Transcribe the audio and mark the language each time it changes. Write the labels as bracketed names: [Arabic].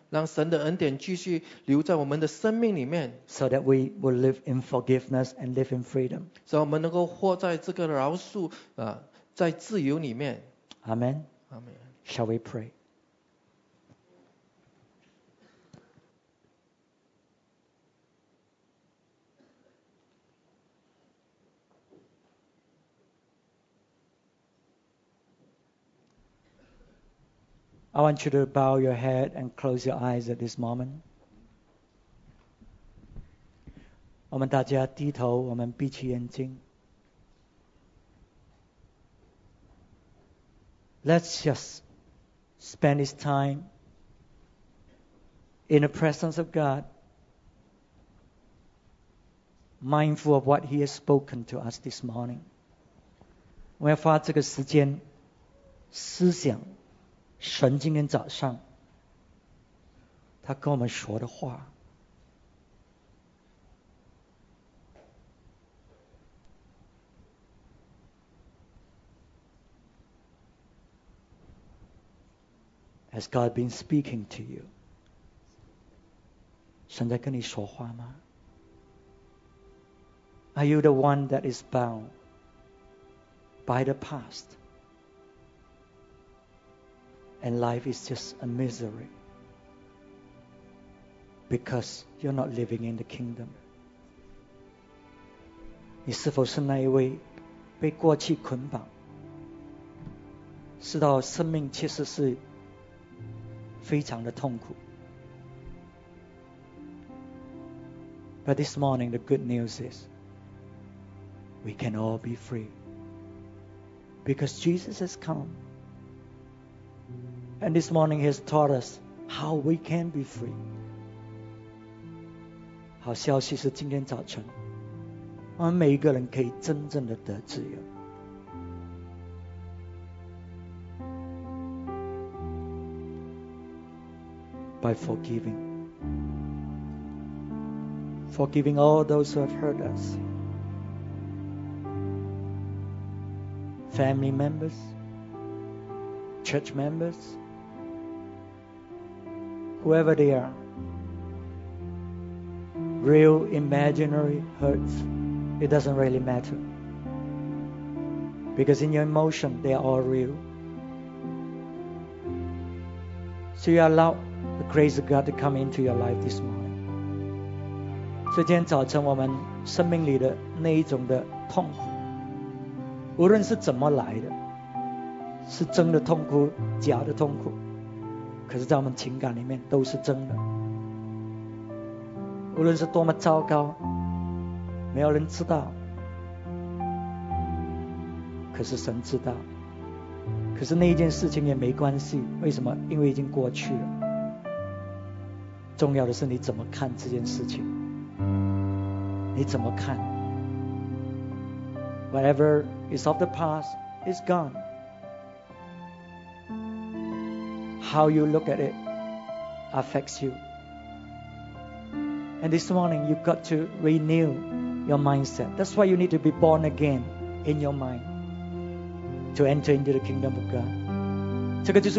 [Chinese] 让神的恩典继续留在我们的生命里面。 [English] So that we will live in forgiveness and live in freedom. [Chinese] 所以我们能够活在这个饶恕啊，在自由里面。 [English] Amen. Amen. Shall we pray? I want you to bow your head and close your eyes at this moment. [Chinese] 我们大家低头，我们闭起眼睛。 [English] Let's just spend this time in the presence of God, mindful of what He has spoken to us this morning. [Chinese] 我要花这个时间思想神今天早上他跟我们说的话 [English] Has God been speaking to you? [Chinese] 神在跟你说话吗 [English] Are you the one that is bound by the past? And life is just a misery because you're not living in the kingdom. [Chinese] 你是否是那一位被过去捆绑，知道生命其实是非常的痛苦 [English] ？But this morning the good news is we can all be free because Jesus has come. And this morning he has taught us how we can be free. [Chinese] 好消息是今天早晨我们每一个人可以真正的得自由。 [English] By forgiving. Forgiving all those who have hurt us. Family members. Church members. whoever they are, real, imaginary, hurts, it doesn't really matter. Because in your emotion, they are all real. So you allow the grace of God to come into your life this morning. [Chinese] 所以今天早晨我们生命里的那一种的痛苦, 无论是怎么来的, 是真的痛苦, 假的痛苦, 可是在我们情感里面都是真的。无论是多么糟糕, 没有人知道, 可是神知道。可是那一件事情也没关系, 为什么?因为已经过去了。重要的是你怎么看这件事情, 你怎么看? [English] Whatever is of the past is gone. How you look at it affects you. And this morning you've got to renew your mindset. That's why you need to be born again in your mind to enter into the kingdom of God.